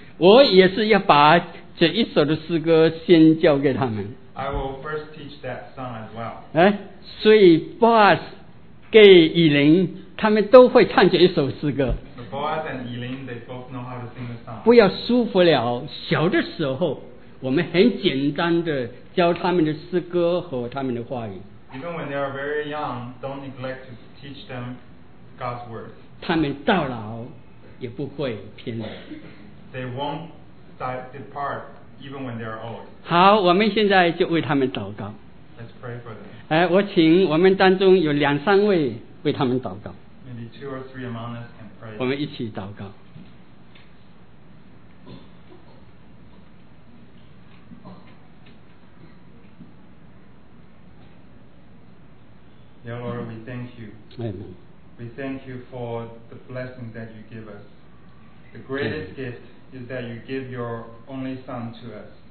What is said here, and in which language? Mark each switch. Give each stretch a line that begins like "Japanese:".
Chinese: 我也是要把这一首的诗歌先教给他们。
English: I will first teach that song as well.
Chinese: 所以 Boaz 给以琳他们都会唱这一首诗歌。
English: The Boaz and Elin, they both know how to sing the song.
Chinese: 不要疏忽了小的时候我们很简单的教他们的诗歌和他们的话语。
English: Even when they are very young, don't neglect to teach them. God's word.
Chinese: 他们到老也不会偏离。
English: They won't depart even when they are old.
Chinese: 好，我们现在就为他们祷告。
English: Let's pray for them.
Chinese: 我请我们当中有两三位为他们祷告。
English: Maybe two or three among us can pray.
Chinese: 我们一起祷告。
English: Dear Lord, we thank you. Amen. We thank you for the blessing that you give us. The greatest gift is that you give your only son to us.